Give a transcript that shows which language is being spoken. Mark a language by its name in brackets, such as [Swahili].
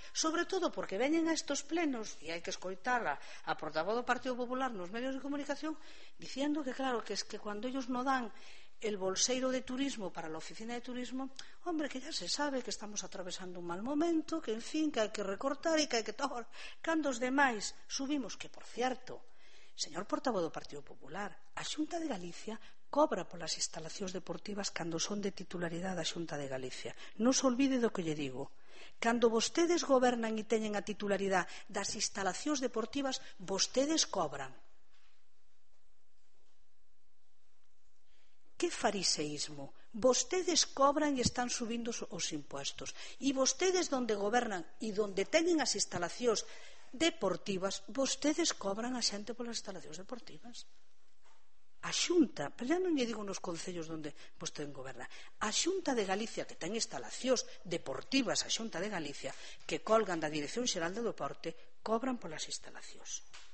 [Galician] Sobre todo porque veñen a estos plenos, e hai que escoitar a portavoz do Partido Popular nos medios de comunicación, [Spanish] diciendo que claro, que es que cuando ellos no dan el bolseiro de turismo para la oficina de turismo, hombre, que ya se sabe que estamos atravesando un mal momento, que en fin, que hay que recortar y que hay que todo. [Galician] Cando os demais subimos, que por cierto, señor portavoz do Partido Popular, a Xunta de Galicia cobra polas instalacións deportivas cando son de titularidade da Xunta de Galicia. Non se olvide do que lle digo. Cando vostedes gobernan e teñen a titularidade das instalacións deportivas, vostedes cobran. Que fariseísmo. Vostedes cobran e están subindo os impuestos. E vostedes donde gobernan e donde teñen as instalacións deportivas, vostedes cobran a xente polas instalacións deportivas. A Xunta, pero ya non lle digo nos concellos onde vostede goberna, a Xunta de Galicia, que ten instalacións deportivas, a Xunta de Galicia, que colgan da Dirección Xeral de Deporte, cobran polas instalacións.